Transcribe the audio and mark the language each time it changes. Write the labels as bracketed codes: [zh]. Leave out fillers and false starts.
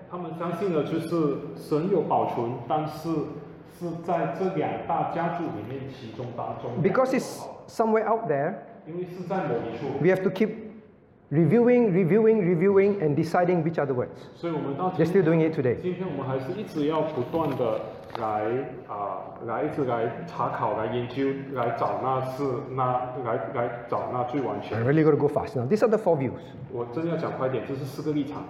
[zh] 他们相信的就是神有保存，但是是在这两大家族里面其中当中。 [en] Because it's somewhere out there. [zh] 因为是在某一处, [en] we have to keep reviewing, and deciding which are the words. [zh] 所以我们到今天, [en] They're still doing it today. [zh] 今天我们还是一直要不断地来查考、来研究、来找那最完全。 [en] I really got to go fast now. These are the four views. [zh] 我真要讲快点, 这是四个立场。